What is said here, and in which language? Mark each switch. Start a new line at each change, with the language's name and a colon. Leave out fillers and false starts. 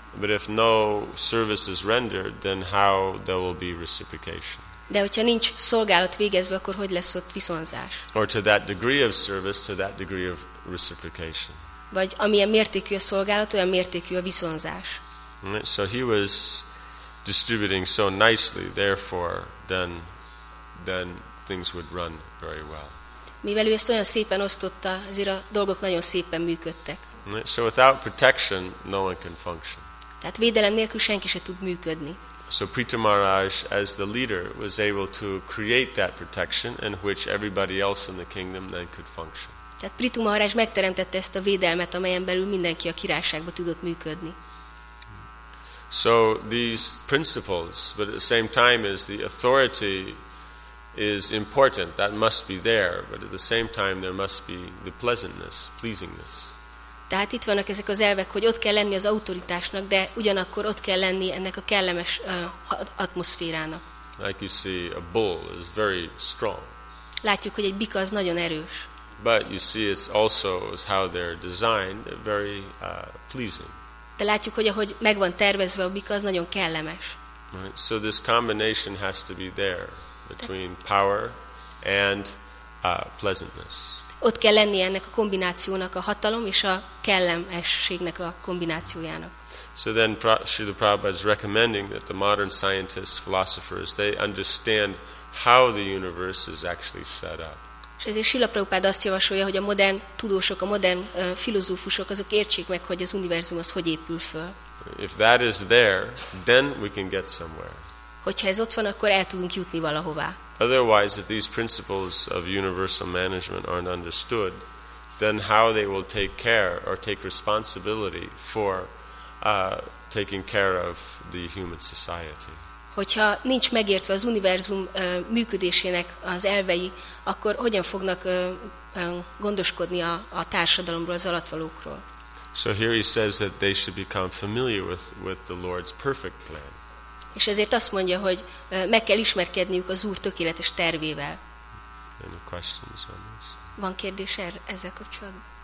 English: But if no service is rendered, then how there will be reciprocation?
Hungarian: De hogyha nincs szolgálat végezve, akkor hogy lesz ott viszonzás?
English: Or to that degree of service, to that degree of reciprocation.
Hungarian: Vagy amilyen mértékű a szolgálat, olyan mértékű a viszonzás.
English: So he was distributing so nicely, therefore then things would run very well.
Hungarian: Mivel ő ezt olyan szépen osztotta, azért a dolgok nagyon szépen működtek.
English: So without protection, no one can function.
Hungarian: Tehát védelem nélkül senki se tud működni.
English: So Prita Maharaj, as the leader, was able to create that protection in which everybody else in the kingdom then could function.
Hungarian: Tehát Prita Maharaj megteremtette ezt a védelmet, amelyen belül mindenki a királyságba tudott működni.
English: So these principles, but at the same time as the authority is important, that must be there, but at the same time there must be the pleasantness, pleasingness.
Hungarian: Tehát itt vannak ezek az elvek, hogy ott kell lenni az autoritásnak, de ugyanakkor ott kell lenni ennek a kellemes atmoszférának.
English: Like you see, a bull is very strong.
Hungarian: Látjuk, hogy egy bika az nagyon erős.
English: But you see, it's also how they're designed, very pleasing.
Hungarian: De látjuk, hogy ahogy megvan tervezve a bika, az nagyon kellemes.
English: Right. So this combination has to be there between power and pleasantness.
Hungarian: Ott kell lenni ennek a kombinációnak, a hatalom és a kellemességnek a kombinációjának.
English: So then Srila Prabhupada is recommending that the modern scientists, philosophers, they understand how the universe is actually set up.
Hungarian: És ezért Srila Prabhupada azt javasolja, hogy a modern tudósok, a modern filozófusok, azok értsék meg, hogy az univerzum az hogy épül föl.
English: If that is there, then we can get somewhere.
Hungarian: Hogyha ez ott van, akkor el tudunk jutni valahová.
English: Otherwise, if these principles of universal management aren't understood, then how they will take care or take responsibility for taking care of the human society?
Hungarian: Hogyha nincs megértve az univerzum működésének az elvei, akkor hogyan fognak gondoskodni a társadalomról, az alattvalókról?
English: So here he says that they should become familiar with the Lord's perfect plan.
Hungarian: És ezért azt mondja, hogy meg kell ismerkedniük az Úr tökéletes tervével.
English: Any questions on this?
Hungarian: Van kérdés ezzel kapcsolatban?